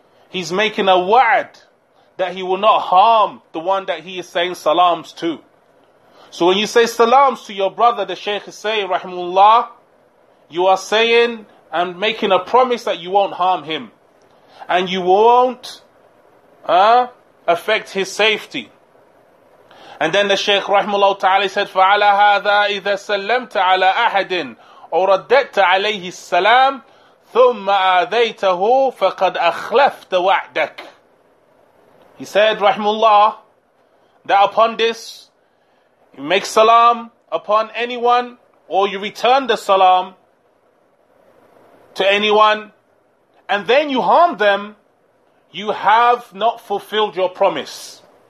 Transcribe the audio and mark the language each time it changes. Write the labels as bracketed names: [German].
[English] He's making a wa'ad that he will not harm the one that he is saying salams to. So when you say salams to your brother, the Shaykh is saying, rahimullah, you are saying and making a promise that you won't harm him. And you won't affect his safety. And then the Shaykh rahimahullah ta'ala said, [Arabic] فَعَلَى هَذَا إِذَا سَلَّمْتَ عَلَىٰ أَحَدٍ وَرَدَّتَ عَلَيْهِ السَّلَامِ ثُمَّ آذَيْتَهُ فَقَدْ أَخْلَفْتَ وَعْدَكَ. [English] He said, rahimahullah, that upon this, you make salam upon anyone, or you return the salam to anyone, and then you harm them, you have not fulfilled your promise.